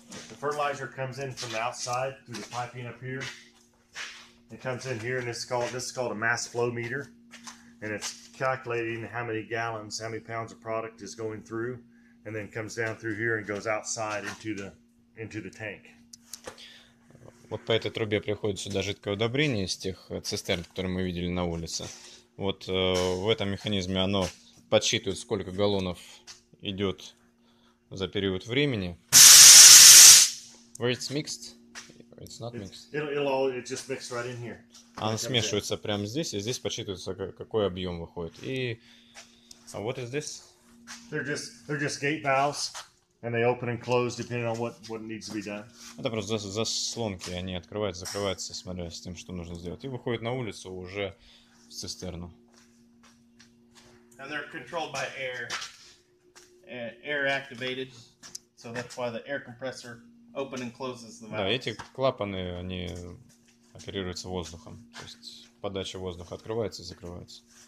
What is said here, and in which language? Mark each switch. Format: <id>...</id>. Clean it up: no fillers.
<en>The fertilizer comes in from the outside through the piping up here. It comes in here and this is called a mass flow meter. And it's calculating how many gallons, how many pounds of product is going through. And then comes down through here and goes outside into the tank.</en> <ru>Вот по этой трубе приходит сюда жидкое удобрение из тех цистерн, которые мы видели на улице. Вот в этом механизме оно подсчитывает, сколько галлонов идет за период времени.</ru> <en>Where it's mixed? It's not mixed. It's just mixed right in here.</en> <ru>Оно смешивается прямо здесь, и здесь подсчитывается, какой объем выходит. И</ru> <en>what is this? They're just gate valves, and they open and close depending on what needs to be done.</en> <ru>Это просто заслонки, они открываются, закрываются, смотря с тем, что нужно сделать. И выходит на улицу уже в цистерну.</ru> <en>And they're controlled by air activated, so that's why the air compressor open and closes the valves.</en> <ru>Да, эти клапаны, они оперируются воздухом, то есть подача воздуха открывается и закрывается.</ru>